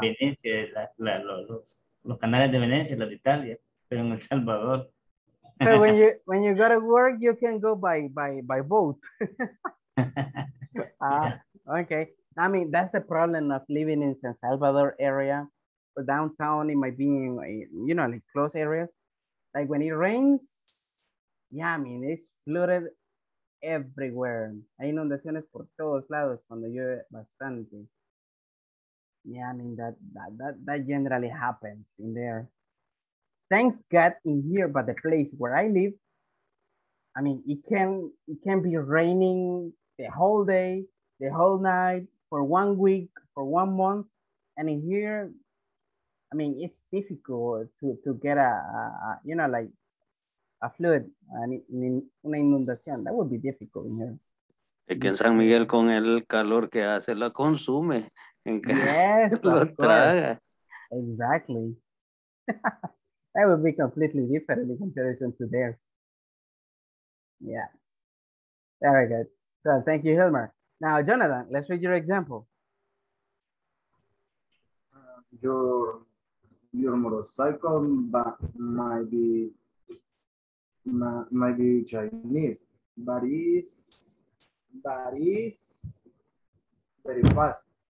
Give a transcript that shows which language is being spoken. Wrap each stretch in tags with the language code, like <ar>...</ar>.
<es>Venecia, los canales de Venecia, los de Italia, pero en El Salvador.</es> <en>So when you go to work, you can go by boat. Okay. I mean, that's the problem of living in San Salvador area. For downtown, it might be in, you know, like close areas. Like when it rains, yeah, I mean, it's flooded everywhere.</en> <es>Hay inundaciones por todos lados cuando llueve bastante.</es> <en>Yeah, I mean, that generally happens in there. Thanks God in here, but the place where I live, I mean, it can be raining the whole day, the whole night, for 1 week, for 1 month. And in here, I mean, it's difficult to get a you know, like a flood,</en> <es>una inundación.</es> <en>That would be difficult in here.</en> <es>Es que San Miguel con el calor que hace, la consume. Yes, lo traga. Exactly.</es> <en>That would be completely different in comparison to there. Yeah. Very good. So thank you, Hilmar. Now, Jonathan, let's read your example. Your motorcycle might be Chinese, but is very fast.</en>